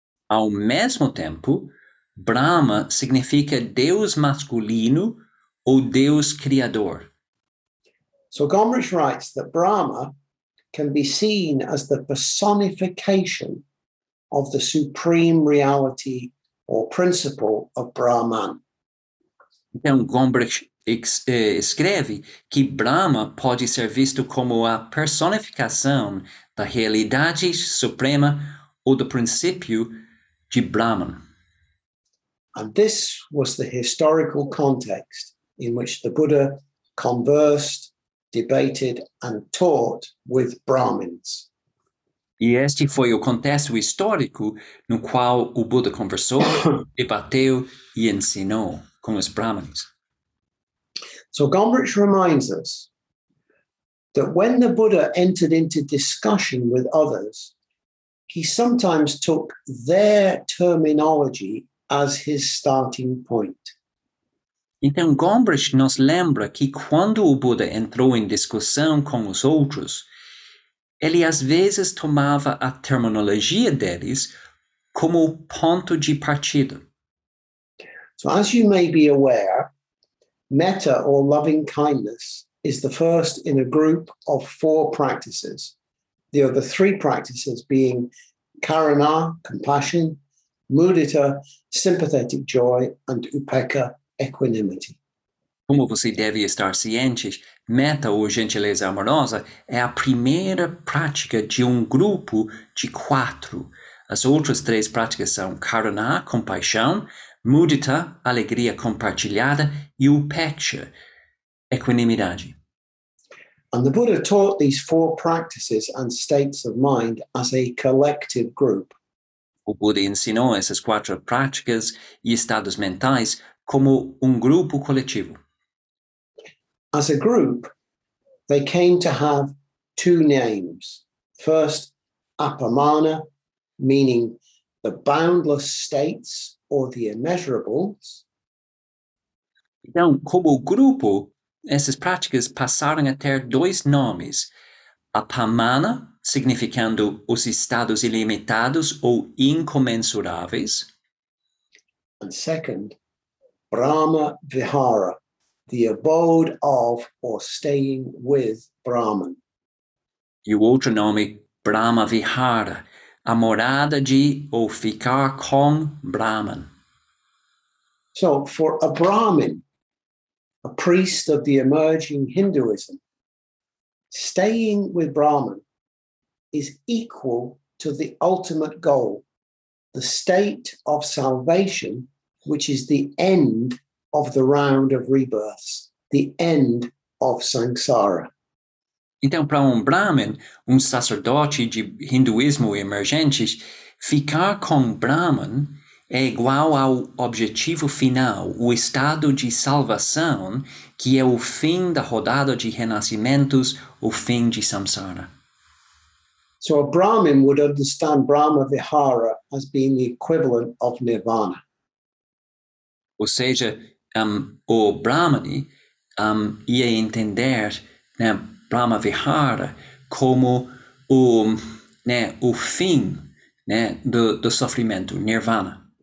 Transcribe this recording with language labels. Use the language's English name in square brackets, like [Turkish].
[Portuguese] Ao mesmo tempo, Brahma significa Deus masculino ou Deus criador. [English] So Gomrich writes that Brahma can be seen as the personification of the supreme reality or principle of Brahman. [Portuguese] Então, Gomrich escreve que Brahma pode ser visto como a personificação da realidade suprema ou do princípio de Brahman. [English] And this was the historical context in which the Buddha conversed, debated, and taught with Brahmins. [Portuguese] E este foi o contexto histórico no qual o Buda conversou, debateu e ensinou com os Brahmins. [English] So Gombrich reminds us that when the Buddha entered into discussion with others, he sometimes took their terminology as his starting point. [Portuguese] Então Gombrich nos lembra que quando o Buda entrou em discussão com os outros, ele às vezes tomava a terminologia deles como ponto de partida. [English] So as you may be aware, metta or loving kindness is the first in a group of four practices. The other three practices being karuna, compassion, mudita, sympathetic joy, and upekkha, equanimity. [Portuguese] Como você deve estar ciente, metta ou gentileza amorosa é a primeira prática de grupo de quatro. As outras três práticas são karuna, compaixão, mudita, alegria compartilhada, e upeksha, equanimidade. [English] And the Buddha taught these four practices and states of mind as a collective group. [Portuguese] O Buddha ensinou essas quatro práticas e estados mentais como grupo coletivo. [English] As a group, they came to have two names. First, apamana, meaning the boundless states or the immeasurables. [Portuguese] Então, como grupo, essas práticas passaram a ter dois nomes. Apamana, significando os estados ilimitados ou incomensuráveis. [English] And second, Brahma Vihara, the abode of or staying with Brahman. [Portuguese] E o outro nome, Brahma Vihara, a morada de ou ficar com Brahman. [English] So, for a Brahmin, a priest of the emerging Hinduism, staying with Brahman is equal to the ultimate goal, the state of salvation, which is the end of the round of rebirths, the end of samsara. [Portuguese] Então, para Brahmin, sacerdote de hinduísmo emergente, ficar com Brahman é igual ao objetivo final, o estado de salvação, que é o fim da rodada de renascimentos, o fim de samsara. [English] So a Brahmin would understand Brahma Vihara as being the equivalent of nirvana. [Portuguese] Ou seja, o Brahmani ia entender, né, Brahma Vihara como o fim, né, do sofrimento, nirvana.